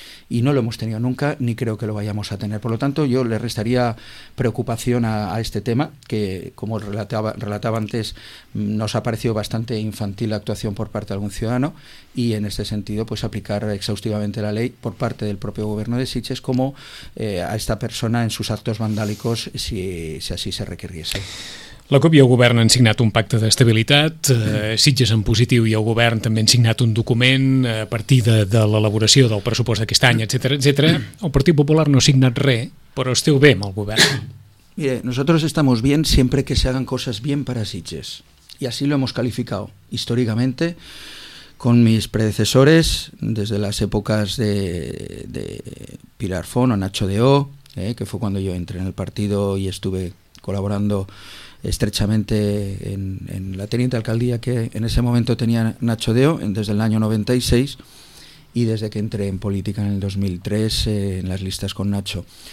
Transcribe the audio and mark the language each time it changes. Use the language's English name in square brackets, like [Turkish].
[Spanish] Y no lo hemos tenido nunca, ni creo que lo vayamos a tener. Por lo tanto, yo le restaría preocupación a este tema, que, como relataba antes, nos ha parecido bastante infantil la actuación por parte de algún ciudadano, y en este sentido, pues aplicar exhaustivamente la ley por parte del propio gobierno de Sitges, como a esta persona en sus actos vandálicos, si así se requeriese. [Catalan] La CUP i el govern han signat un pacte d'estabilitat, Sitges en positiu i el govern també han signat un document a partir de l'elaboració del pressupost d'aquest any, etc etc. El Partit Popular no ha signat res, però esteu bé amb el govern. [Spanish] Mire, nosotros estamos bien siempre que se hagan cosas bien para Sitges. Y así lo hemos calificado históricamente con mis predecesores, desde las épocas de Pilar Font o Nacho de O, que fue cuando yo entré en el partido y estuve colaborando estrechamente en la teniente alcaldía que en ese momento tenía Nacho Deo desde el año 96 y desde que entré en política en el 2003 en las listas con Nacho.